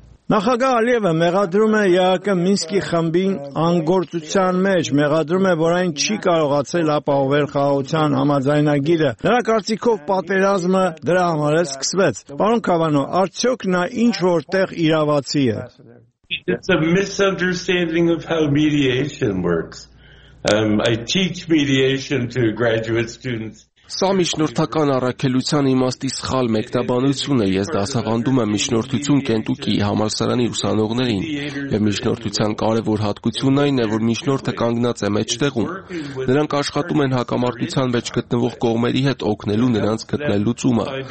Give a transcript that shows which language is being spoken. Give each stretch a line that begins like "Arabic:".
Armenian: Նախագահ Ալիևը մեղադրում է ԵԱԿ Մինսկի խմբին անգործության մեջ, մեղադրում է, որ այն չի կարողացել ապահովել խաղաղության համաձայնագիրը։ Նրա կարծիքով պատերազմը դրա համար է սկսվեց։ Պարոն Քավանո, արդյոք նա ինչ որտեղ իրավացի է։
English: It's a misunderstanding of how mediation works. I teach mediation to graduate students.
Armenian: Սա միջնորդական առաքելության իմաստի սխալ մեկտաբանություն է, ես դասավանդում եմ միջնորդություն Կենտուկի համալսարանի ուսանողներին, եւ միջնորդության կարևոր հատկությունն այն է, որ միջնորդը կանգնած է մեջտեղում, նրանք աշխատում են հակամարտության մեջ գտնվող կողմերի հետ օգնելու նրանց գտնել լուծումը։